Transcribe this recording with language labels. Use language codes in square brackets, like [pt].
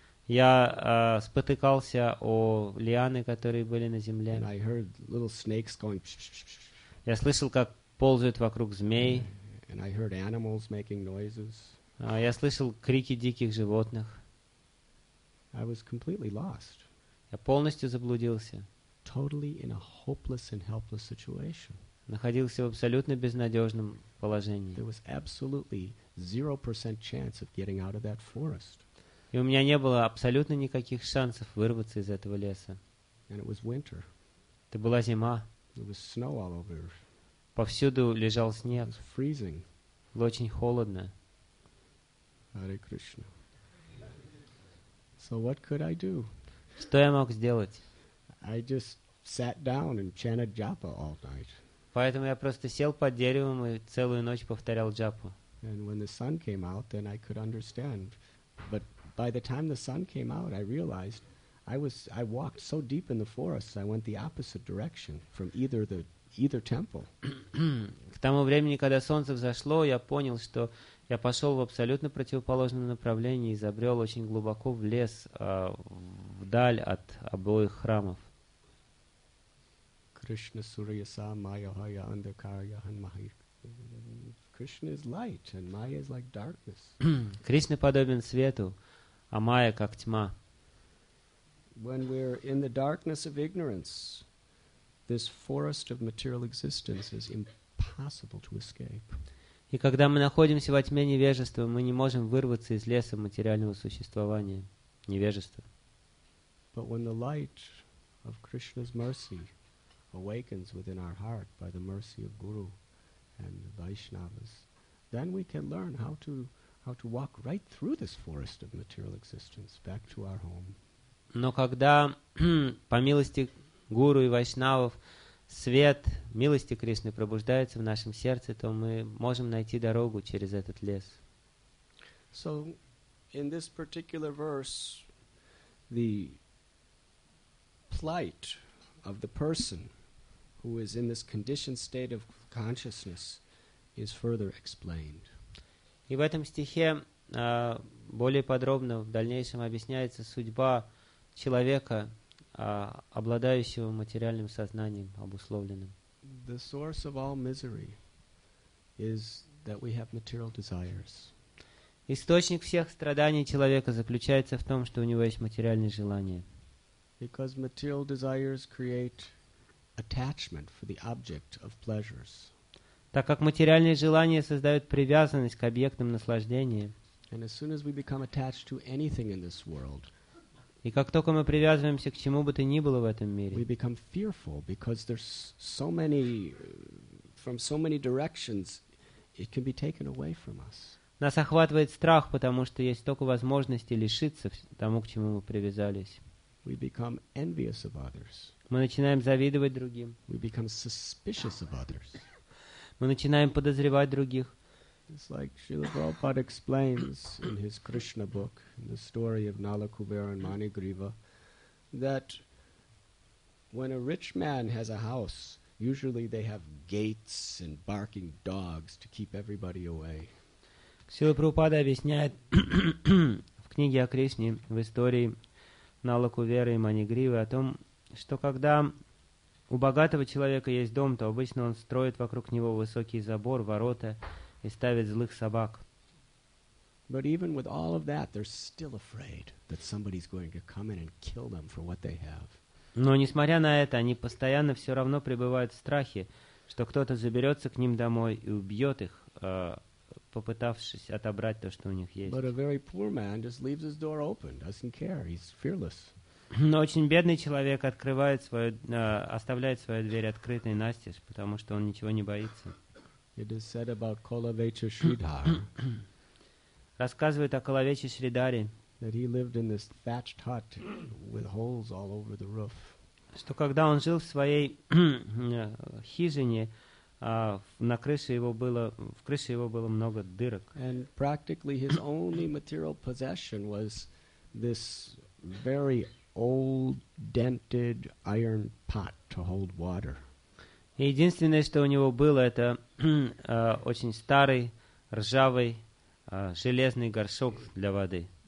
[ru] Я спотыкался о лианы, которые были на земле. [en] And I heard little snakes going ш-ш-ш-ш. [ru] Я слышал, как ползают вокруг змей. [en] And I heard animals making noises. [ru] Я слышал крики диких животных. [en] I was completely lost. [ru] Я полностью заблудился. [en] Totally in a hopeless and helpless situation. [ru] Находился в абсолютно безнадежном положении. [en] There was absolutely 0% chance of getting out of that forest. [ru] И у меня не было абсолютно никаких шансов вырваться из этого леса. [en] And it was winter. [ru] Это была зима. [en] There was snow all over. [ru] Повсюду лежал снег. [en] It was freezing. [ru] Было очень холодно. [en] Hare Krishna. So what could I do? [ru] Что я мог сделать? [en] I just sat down and chanted japa all night. [ru] Поэтому я просто сел под деревом и целую ночь повторял джапу. [en] And when the sun came out, then I could understand. But by the time the sun came out, I realized I walked so deep in the forest, I went the opposite direction from either temple. [ru] К тому времени, когда солнце взошло, я понял, что я пошел в абсолютно противоположном направлении и забрел очень глубоко в лес, вдаль от обоих храмов. [bn] Krishna Surya Sa Maya Haya Andhakar Yahan Mahi. [en] Krishna is light and Maya is like darkness. [ru] Кришна подобен свету, а Майя как тьма. [en] When we're in the darkness of ignorance, this forest of material existence is impossible to escape. [ru] И когда мы находимся во тьме невежества, мы не можем вырваться из леса материального существования, невежества. [en] But when the light of Krishna's mercy awakens within our heart by the mercy of Guru and the Vaishnavas, then we can learn how to walk right through this forest of material existence back to our home. [ru] Но когда по милости Гуру и Вайшнавов свет милости Кришны пробуждается в нашем сердце, то мы можем найти дорогу через этот лес. [en] So in this particular verse, the plight of the person who is in this conditioned state of consciousness is further explained. [ru] И в этом стихе более подробно в дальнейшем объясняется судьба человека, обладающего материальным сознанием, обусловленным. [en] The source of all misery is that we have material desires. [ru] Источник всех страданий человека заключается в том, что у него есть материальные желания. [en] Because material desires create attachment for the object of pleasures. [ru] Так как материальные желания создают привязанность к объектам наслаждения. [en] And as soon as we become attached to anything in this world, [ru] и как только мы привязываемся к чему бы то ни было в этом мире, [en] we become fearful because there's so many, from so many directions, it can be taken away from us. [ru] Нас охватывает страх, потому что есть столько возможностей лишиться тому, к чему мы привязались. [en] We become envious of others. [ru] Мы начинаем завидовать другим. [en] We become suspicious of others. [ru] Мы начинаем подозревать других. [en] It's like Srila Prabhupada explains in his Krishna book, in the story of Nala Kuvera and Manigriva, that when a rich man has a house, usually they have gates and barking dogs to keep everybody away. [ru] Srila Prabhupada объясняет в книге о Кришне, в истории Нала Кувера и Манигривы, о том, что когда у богатого человека есть дом, то обычно он строит вокруг него высокий забор, ворота, и ставит злых собак. [en] But even with all of that, they're still afraid that somebody's going to come in and kill them for what they have. [ru] Но несмотря на это, они постоянно все равно пребывают в страхе, что кто-то заберется к ним домой и убьет их, попытавшись отобрать то, что у них есть. [en] But a very poor man just leaves his door open, doesn't care, he's fearless. [ru] Но очень бедный человек открывает свою, оставляет свою дверь открытой настежь, потому что он ничего не боится. [en] It is said about Kolavecha Sridhar. [ru] Рассказывает о Коловече Шридаре. [en] That he lived in this thatched hut with holes all over the roof. [ru] Что когда он жил в своей хижине, в крыше его было много дырок. [en] And practically his only material possession was this very old dented iron pot to hold water. [ru] И единственное, что у него было, это очень старый, ржавый, железный горшок для воды.